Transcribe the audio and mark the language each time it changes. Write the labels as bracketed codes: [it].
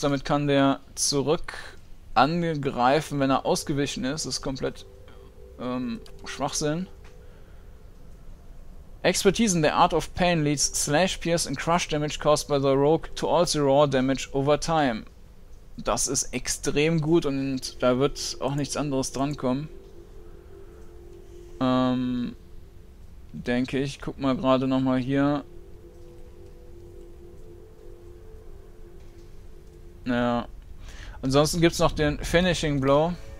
[de] Damit kann der zurück angreifen, wenn er ausgewichen ist. Das ist komplett Schwachsinn. [en] Expertise in the Art of Pain leads Slash, Pierce and Crush Damage caused by the Rogue to also Raw Damage over time. [de] Das ist extrem gut und da wird auch nichts anderes drankommen. Denke ich. Guck mal gerade nochmal hier. Naja. Ansonsten gibt's noch den Finishing Blow.